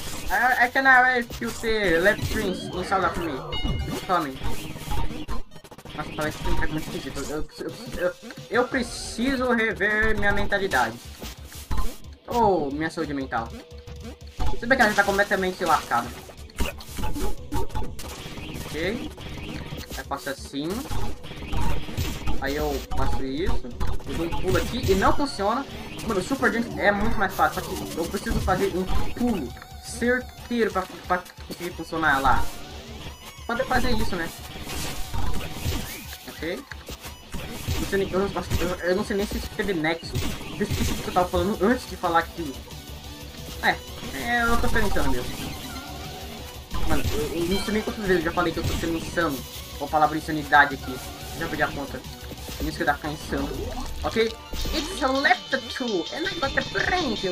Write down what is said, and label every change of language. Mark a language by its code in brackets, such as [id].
[en] I can already feel the electrons inside of me. Coming. [pt] Nossa, parece que tá muito esquisito. Eu preciso rever minha mentalidade. Oh, minha saúde mental. Se bem que ela já tá completamente lascada. Ok, eu passo assim, aí eu passo isso, eu dou um pulo aqui e não funciona. Mano, o Super Jump é muito mais fácil, só que eu preciso fazer um pulo certeiro pra conseguir funcionar lá. Pode fazer isso, né? Ok, eu não sei nem se isso teve nexo, desse que eu tava falando antes de falar aqui. Eu tô pensando mesmo. Mano, eu não sei nem quantas vezes eu já falei que eu tô sendo insano com a palavra insanidade aqui. Já perdi a conta. É isso que dá pra ficar insano. Ok? [en] It's a left tool and I got the brain.